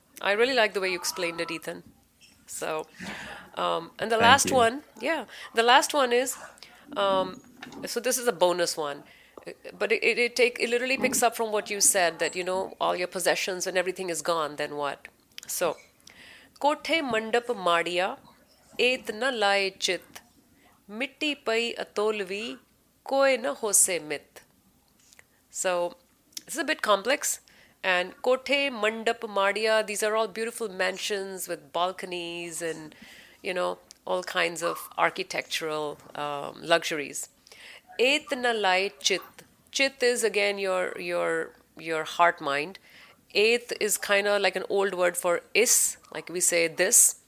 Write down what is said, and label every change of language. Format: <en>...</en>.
<en>I really like the way you explained it, Ethan. So, and the Thank last you. One, yeah, the last one is, so this is a bonus one. But it literally picks up from what you said that, you know, all your possessions and everything is gone, then what? So,</en> <pa>कोठे मंडप माड़िया एत न लाए चित, मिट्टी पई अतोलवी कोय न होसे मित।</pa> <en>so this is a bit complex and</en> <pa>कोठे मंडप Madia</pa> <en>These are all beautiful mansions with balconies and you know all kind of architectural luxuries.</en> <pa>एत न लाए चित,</pa> <en>चित is again your heart mind. Eth is kind of like an old word for is, like we say this.</en>